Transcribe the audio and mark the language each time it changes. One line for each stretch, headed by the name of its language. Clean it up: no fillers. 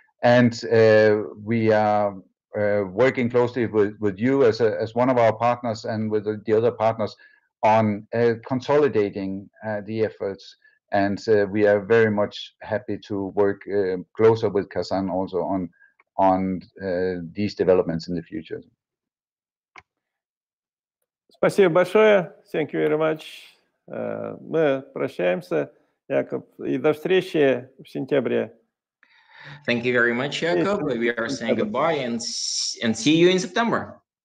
English: And we are working closely with you as one of our partners and with the other partners on consolidating the efforts. And we are very much happy to work closer with Kazan also on these developments in the future.
Russian: Спасибо большое.
English: Thank you very much.
Russian: Мы прощаемся, Якоб, и до встречи в сентябре.
English: Thank you very much, Jakob. We are saying goodbye and see you in September.